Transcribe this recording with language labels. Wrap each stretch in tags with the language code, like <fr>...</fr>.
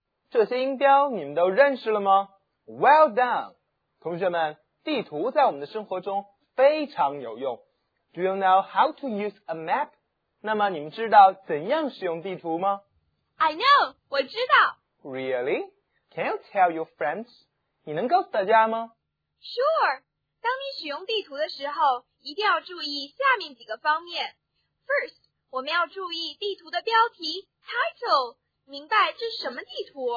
<zh>这些音标你们都认识了吗？</zh> <en>Well done!</en> <zh>同学们，地图在我们的生活中非常有用。</zh> <en>Do you know how to use a map?</en> <zh>那么你们知道怎样使用地图吗？</zh> <en>I know!</en> <zh>我知道。</zh> <en>Really? Can you tell your friends?</en> <zh>你能告诉大家吗？</zh> <en>Sure!</en> <zh>当你使用地图的时候，一定要注意下面几个方面。</zh> <en>First,</en> <zh>我们要注意地图的标题 ,title,明白这是什么地图。</zh>